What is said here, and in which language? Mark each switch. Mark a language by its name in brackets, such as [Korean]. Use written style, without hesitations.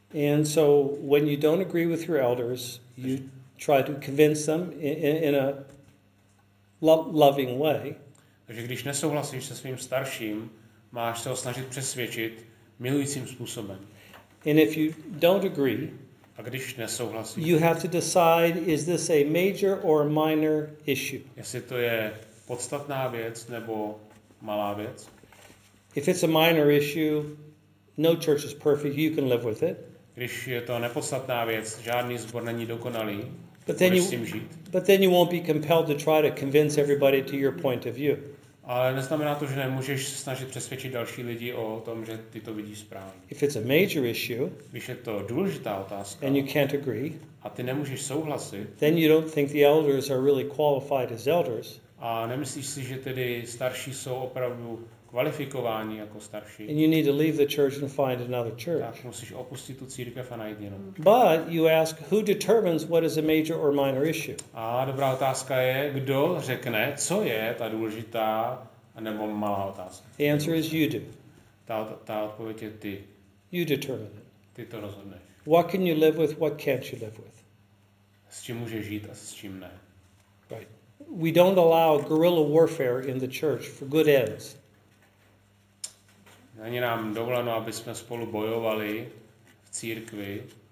[English] And so when you don't agree with your elders, you try to convince them in a loving way. [Czech] Takže když nesouhlasíš se svým starším, máš se ho snažit přesvědčit milujícím způsobem. [English] And if you don't agree, [Czech] a A když nesouhlasí. [English] You have to decide, is this a major or minor issue? [Czech] Jestli to je podstatná věc nebo malá věc. [English] If it's a minor issue, no church is perfect, you can live with it. [Czech] Když je to nepodstatná věc, žádný sbor není dokonalý. [English] But then you [Czech] žít. [English] But then you won't be compelled to try to convince everybody to your point of view. [Czech] Ale neznamená to, že nemůžeš snažit přesvědčit další lidi o tom, že ty to vidíš správně. [English] If it's a major issue, [Czech] když je to důležitá otázka, [English] and you can't agree, [Czech] a ty nemůžeš souhlasit, [English] then you don't think the elders are really qualified as elders. [Czech] A nemyslíš si, že tedy starší jsou opravdu kvalifikováni jako starší. [English] And you need to leave the church and find another church. [Czech] Tak musíš opustit tu církev a najít jinou. [English] But you ask, who determines what is a major or minor issue? [Czech] A dobrá otázka je, kdo řekne, co je ta důležitá nebo malá otázka. [English] The answer is you do. [Czech] Ta odpověď je ty. [English] You determine it. [Czech] Ty to rozhodneš. [English] What can you live with, what can't you live with? [Czech] S čím můžeš žít a s čím ne. [English] Right. We don't allow guerrilla warfare in the church for good ends. [Czech] Není nám dovoleno, aby jsme spolu bojovali v církvi.